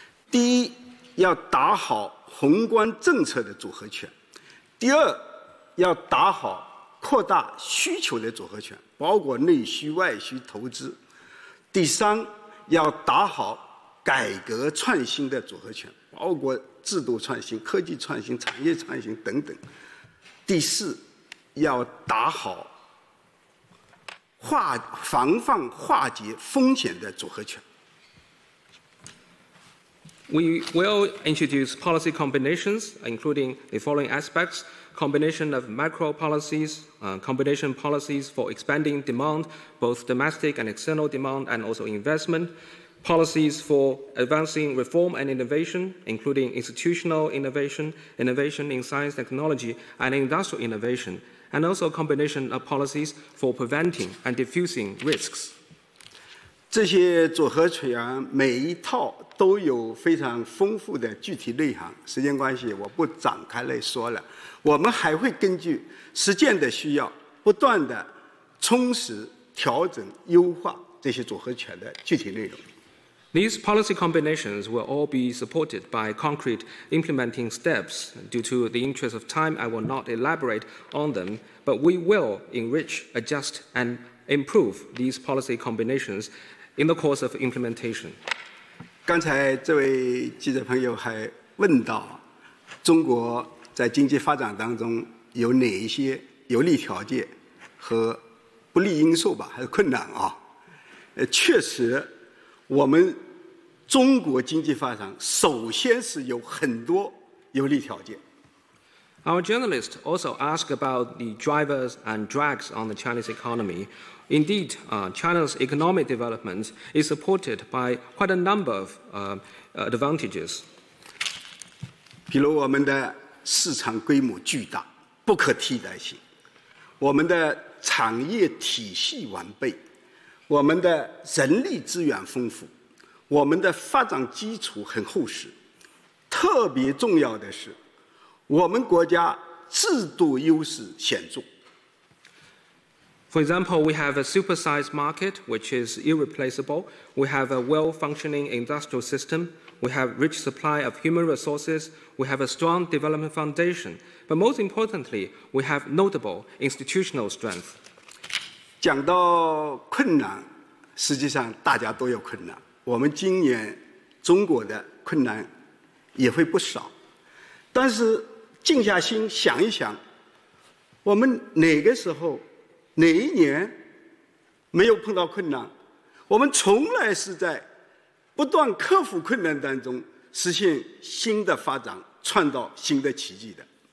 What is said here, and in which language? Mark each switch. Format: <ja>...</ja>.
<zh>第一，要打好宏观政策的组合拳；第二，要打好扩大需求的组合拳，包括内需、外需、投资；第三，要打好改革创新的组合拳，包括制度创新、科技创新、产业创新等等；第四，要打好防范化解风险的组合拳。</zh> <en>We will introduce policy combinations, including the following aspects: combination of macro policies, combination policies for expanding demand, both domestic and external demand, and also investment policies for advancing reform and innovation, including institutional innovation, innovation in science, technology, and industrial innovation. And also a combination of policies for preventing and diffusing risks.</en> <zh>这些组合拳每一套都有非常丰富的具体内涵，时间关系我不展开来说了。我们还会根据实践的需要，不断的充实、调整、优化这些组合拳的具体内容。</zh> <en>These policy combinations will all be supported by concrete implementing steps. Due to the interest of time, I will not elaborate on them, but we will enrich, adjust, and improve these policy combinations in the course of implementation.</en> <zh>刚才这位记者朋友还问到，中国在经济发展当中有哪一些有利条件和不利因素吧，还是困难啊？确实我们中国经济发展首先是有很多有利条件。</zh> <en>Our journalist also asked about the drivers and drags on the Chinese economy. Indeed, China's economic development is supported by quite a number of advantages.</en> <zh>比如我们的市场规模巨大，不可替代性，我们的产业体系完备，我们的人力资源丰富，我们的发展基础很厚实，特别重要的是，我们国家制度优势显著。</zh> <en>For example, we have a supersized market, which is irreplaceable. We have a well-functioning industrial system. We have rich supply of human resources. We have a strong development foundation. But most importantly, we have notable institutional strength.</en> <zh>讲到困难，实际上大家都有困难，我们今年中国的困难也会不少，但是静下心想一想，我们哪个时候哪一年没有碰到困难，我们从来是在不断克服困难当中实现新的发展，创造新的奇迹的。</zh>